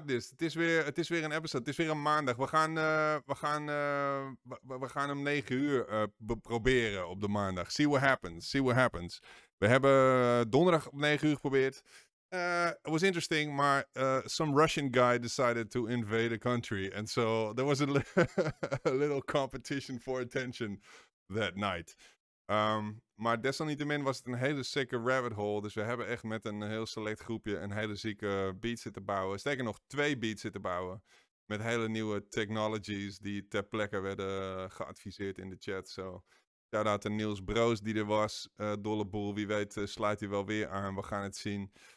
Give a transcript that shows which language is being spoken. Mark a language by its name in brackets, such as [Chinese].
[Dutch] Het is weer een episode. Het is weer een maandag. We gaan om 9 uur proberen op de maandag. [English] See what happens. [Dutch] We hebben donderdag om 9 uur geprobeerd. [English] It was interesting, maar some Russian guy decided to invade a country. And so there was a little competition for attention that night. [Dutch] Maar desalniettemin was het een hele zieke rabbit hole. Dus we hebben echt met een heel select groepje een hele zieke beat zitten bouwen. Sterker nog, 2 beats zitten bouwen. Met hele nieuwe technologies die ter plekke werden geadviseerd in de chat. So, shout-out to Niels Broos die er was. Dolle boel, wie weet sluit hij wel weer aan. We gaan het zien.